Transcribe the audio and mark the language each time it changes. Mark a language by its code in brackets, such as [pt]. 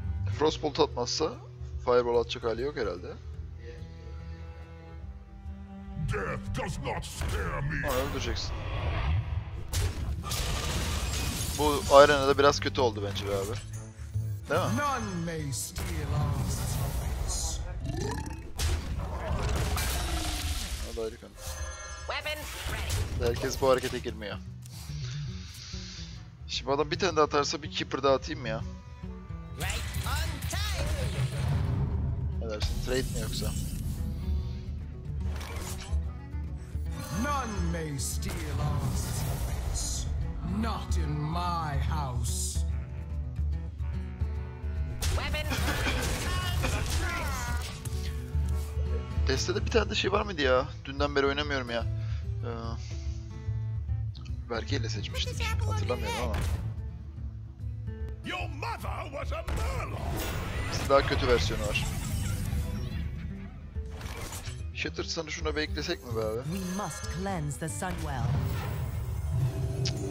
[tr] Frostbolt atmazsa fireball atacak hali yok herhalde. [en] Death does not scare me. [tr] Onu öldüreceksin. Bu arena da biraz kötü oldu bence be abi. Değil mi? [en] None may steal our souls. [tr] O da harika. Herkes bu harekete girmiyor. Şimdi adam bir tane daha atarsa bir keeper daha atayım mı ya? Dersin trade mi yoksa? [en] None may steal our souls. Not in my house. Weapon. [tr] Destede bir tane de şey var mıydı ya? Dünden beri oynamıyorum ya. Berke'yle seçmiştim. Hatırlamıyorum ama. [en] Your mother was a Merlock. [tr] Daha kötü versiyonu var. Shattered Sun'ı şuna beklesek mi be abi? [en] We must cleanse the sun well.